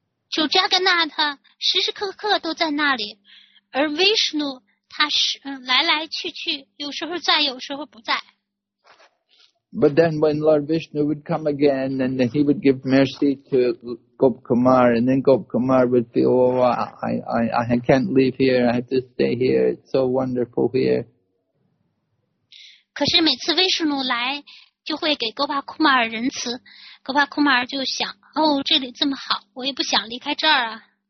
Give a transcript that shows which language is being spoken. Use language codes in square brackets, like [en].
[zh] 主扎格纳塔时时刻刻都在那里，而维什努他是来来去去，有时候在，有时候不在。 [en] But then when Lord Vishnu would come again, and then he would give mercy to Gop Kumar, and then Gop Kumar would feel, oh, I can't leave here, I have to stay here, it's so wonderful here. [zh] 可是每次维什努来就会给戈巴库马尔仁慈，戈巴库马尔就想，哦，这里这么好，我也不想离开这儿啊。